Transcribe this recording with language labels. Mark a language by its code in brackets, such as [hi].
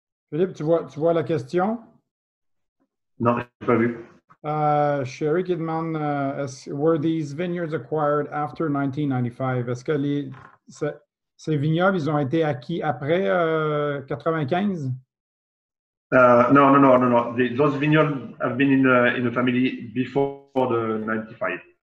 [fr] Philippe, tu vois la question? Non, je n'ai pas vu. [en] Sherry [fr] qui demande, [en] were these vineyards acquired after 1995? [fr] Est-ce que ces vignobles, ils ont été acquis après 1995? [en] No. Those vignobles have been in the family before the 1995.